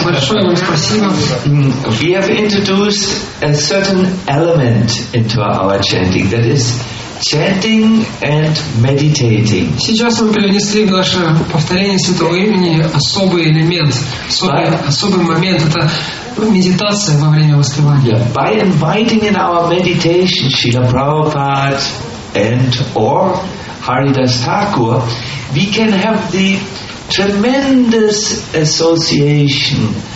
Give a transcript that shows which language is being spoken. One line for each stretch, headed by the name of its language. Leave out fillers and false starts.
English: We have introduced a certain element into our chanting, that is chanting and meditating.
Russian: Сейчас мы перенесли в наше повторение святого имени особый элемент, особый момент. Это медитация во время воспевания.
English: By inviting in our meditation Srila Prabhupada and or Haridas Thakur, we can have the tremendous association.